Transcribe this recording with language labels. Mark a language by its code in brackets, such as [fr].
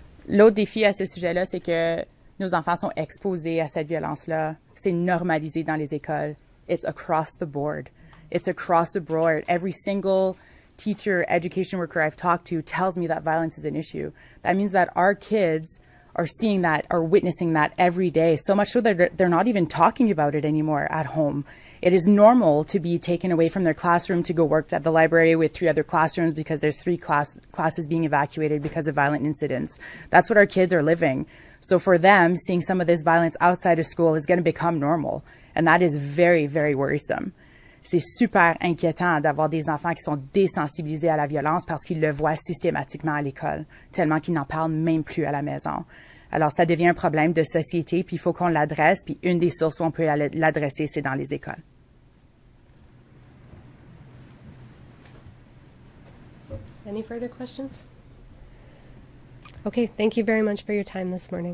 [fr] L'autre défi à ce sujet-là, c'est que nos enfants sont exposés à cette violence-là. C'est normalisé dans les écoles. [en] It's across the board. It's across the board. Every single teacher, education worker I've talked to tells me that violence is an issue. That means that our kids are seeing that, are witnessing that every day, so much so that they're not even talking about it anymore at home. It is normal to be taken away from their classroom to go work at the library with three other classrooms because there's three classes being evacuated because of violent incidents. That's what our kids are living. So for them, seeing some of this violence outside of school is going to become normal. And that is very, very worrisome. [fr] C'est super inquiétant d'avoir des enfants qui sont désensibilisés à la violence parce qu'ils le voient systématiquement à l'école, tellement qu'ils n'en parlent même plus à la maison. Alors, ça devient un problème de société, puis il faut qu'on l'adresse, puis une des sources où on peut l'adresser, c'est dans les écoles. [en] Any further questions? Okay, thank you very much for your time this morning.